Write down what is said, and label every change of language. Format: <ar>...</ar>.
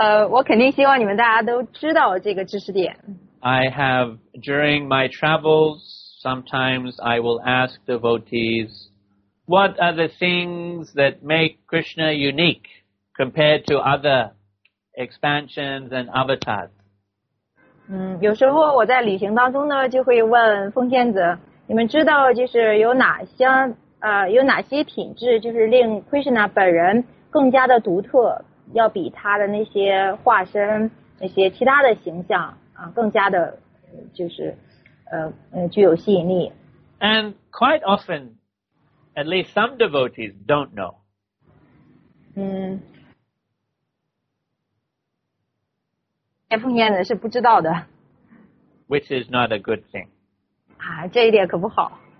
<zh>我肯定希望你们大家都知道这个知识点。</zh> <en>I have, during my travels, sometimes I will ask devotees, what are the things that make Krishna unique compared to other expansions and avatars?</en> <zh>有时候我在旅行当中呢，就会问奉献者，你们知道就是有哪些品质就是令 Krishna 本人更加的独特，要比他的那些化身那些其他的形象更加的就是具有吸引力。</zh> <en>And quite often at least some devotees don't know.</en> <zh>奉献者是不知道的。</zh> <en>Which is not a good thing.</en> <zh>这一点可不好。</zh>